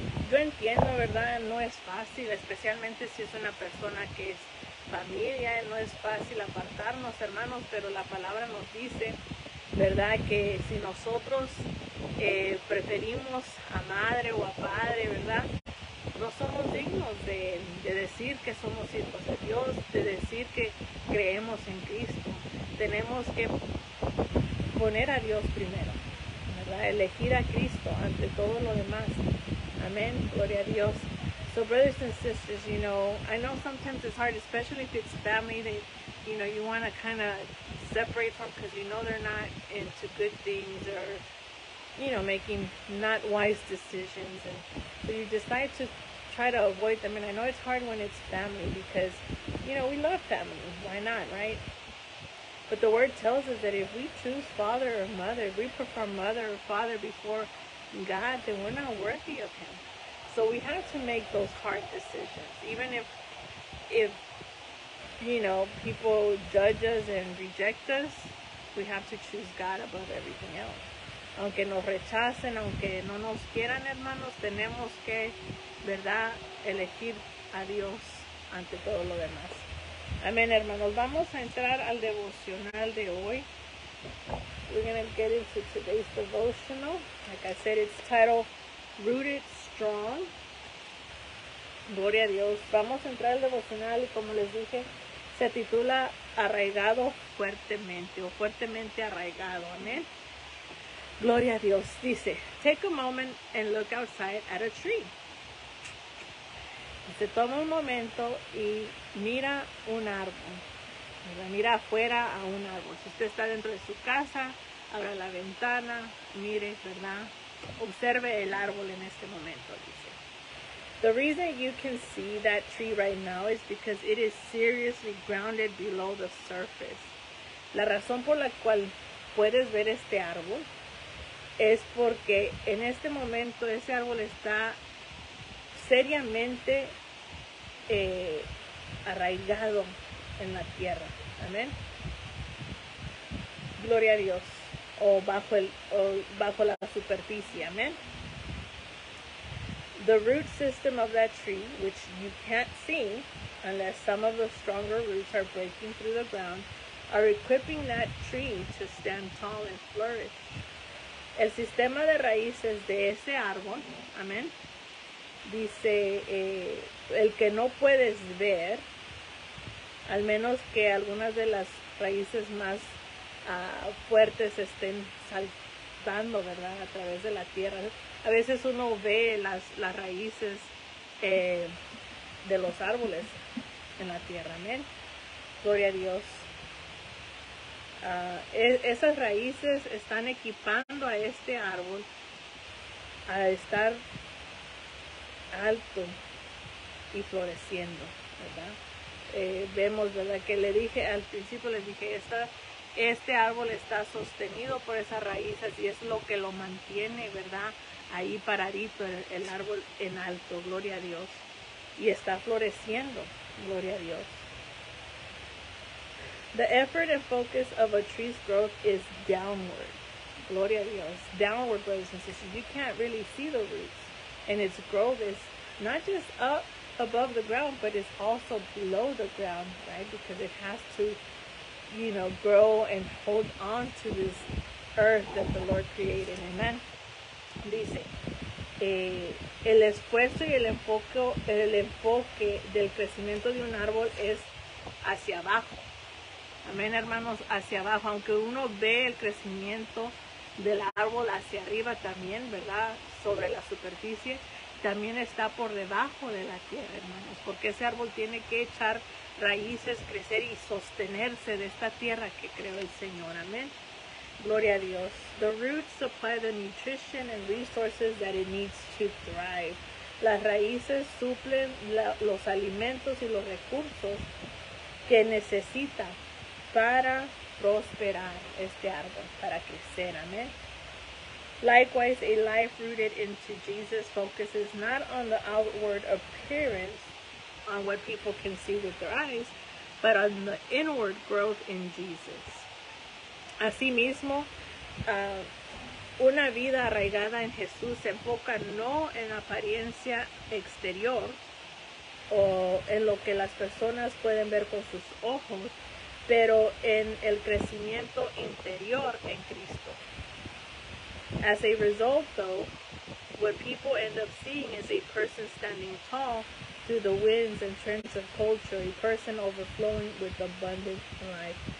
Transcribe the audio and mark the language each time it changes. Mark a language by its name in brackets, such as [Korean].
[Spanish] Yo entiendo, ¿verdad? No es fácil, especialmente si es una persona que es familia, no es fácil apartarnos, hermanos, pero la palabra nos dice, ¿verdad?, que si nosotros preferimos a madre o a padre, ¿verdad?, no somos dignos de decir que somos hijos de Dios, de decir que creemos en Cristo. Tenemos que poner a Dios primero, ¿verdad?, elegir a Cristo ante todo lo demás. Amén, gloria a Dios. [English] So brothers and sisters, you know, I know sometimes it's hard, especially if it's family that, you know, you want to kind of separate from because you know they're not into good things or, you know, making not wise decisions. And so you decide to try to avoid them. And I know it's hard when it's family because, you know, we love family. Why not, right? But the word tells us that if we choose father or mother, if we prefer mother or father before God, then we're not worthy of him. So we have to make those hard decisions. Even if you know, people judge us and reject us, we have to choose God above everything else. [Spanish] Aunque nos rechacen, aunque no nos quieran, hermanos, tenemos que, ¿verdad?, elegir a Dios ante todo lo demás. Amén, hermanos. Vamos a entrar al devocional de hoy. [English] We're going to get into today's devotional. Like I said, it's titled Rooted Strong. [Spanish] Gloria a Dios. Vamos a entrar al devocional y, como les dije, se titula Arraigado Fuertemente o Fuertemente Arraigado. Amén. Gloria a Dios. Dice, [English] take a moment and look outside at a tree. [Spanish] Se toma un momento y mira un árbol, ¿verdad? Mira afuera a un árbol. Si usted está dentro de su casa, abra la ventana, mire, ¿verdad? Observe el árbol en este momento, dice. [English] The reason you can see that tree right now is because it is seriously grounded below the surface. [Spanish] La razón por la cual puedes ver este árbol es porque en este momento ese árbol está seriamente arraigado en la tierra. Amén. Gloria a Dios. O bajo la superficie. Amén. [English] The root system of that tree, which you can't see unless some of the stronger roots are breaking through the ground, are equipping that tree to stand tall and flourish. [Spanish] El sistema de raíces de ese árbol, amén, dice, el que no puedes ver, al menos que algunas de las raíces más fuertes estén saltando, ¿verdad?, a través de la tierra. A veces uno ve las raíces de los árboles en la tierra, amén. Gloria a Dios. Esas raíces están equipando a este árbol a estar alto y floreciendo, ¿verdad? Vemos, ¿verdad?, que le dije al principio, les dije, este árbol está sostenido por esas raíces y es lo que lo mantiene, ¿verdad?, ahí paradito el árbol en alto. Gloria a Dios. y está floreciendo. Gloria a Dios. [English] The effort and focus of a tree's growth is downward. [Spanish] Gloria a Dios. [English] Downward, brothers and sisters. You can't really see the roots. And its growth is not just up above the ground, but it's also below the ground, right? Because it has to, you know, grow and hold on to this earth that the Lord created. Amen. [Spanish] Dice, el esfuerzo y el enfoque del crecimiento de un árbol es hacia abajo. Amén, hermanos, hacia abajo. Aunque uno ve el crecimiento del árbol hacia arriba también, ¿verdad? Sobre la superficie, también está por debajo de la tierra, hermanos. Porque ese árbol tiene que echar raíces, crecer y sostenerse de esta tierra que creó el Señor. Amén. Gloria a Dios. [English] The roots supply the nutrition and resources that it needs to thrive. [Spanish] Las raíces suplen los alimentos y los recursos que necesita para prosperar este árbol, para crecer. Amén. [English] Likewise, a life rooted into Jesus focuses not on the outward appearance, on what people can see with their eyes, but on the inward growth in Jesus. [Spanish] Asimismo, una vida arraigada en Jesús se enfoca no en la apariencia exterior o en lo que las personas pueden ver con sus ojos, pero en el crecimiento interior en Cristo. [English] As a result, though, what people end up seeing is a person standing tall through the winds and trends of culture, a person overflowing with abundant life.